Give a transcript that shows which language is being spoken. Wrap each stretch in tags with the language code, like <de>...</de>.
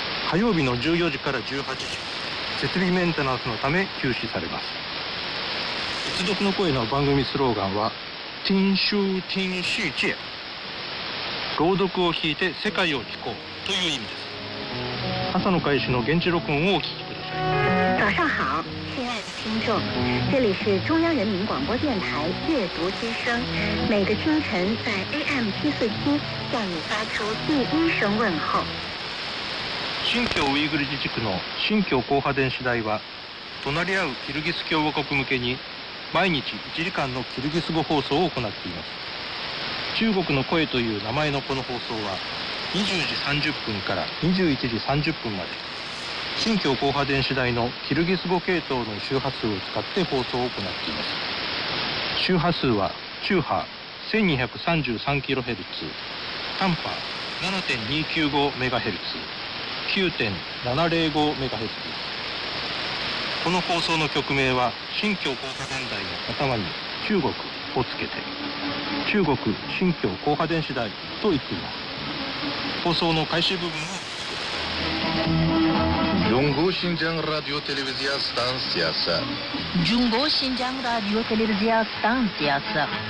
<ja>火曜日の14時から18時、設備メンテナンスのため休止されます。越族の声の番組スローガンは</ja> <zh>听书听世界、</zh> <ja>朗読を聞いて世界を聞こうという意味です。朝の開始の現地録音をお聞きください。</ja> <zh>早上好，听众，这里是中央人民广播电台阅读之声，每个清晨在 AM 七四七向你发出第一声问候。</zh> <ja>新疆ウイグル自治区の新疆高波電視台は、隣り合うキルギス共和国向けに毎日1時間のキルギス語放送を行っています。中国の声という名前のこの放送は20時30分から21時30分まで、新疆高波電視台のキルギス語系統の周波数を使って放送を行っています。周波数は中波 1233kHz、 短波 7.295MHz、 9.705MHz。この放送の曲名は新疆高波電台の頭に中国をつけて中国新疆高波電視台と言っています。放送の開始部分は 중국 신장 라디오 텔레비지아 스탄시아사. 중국 신장 라디오 텔레비지아 스탄시아사.</ja>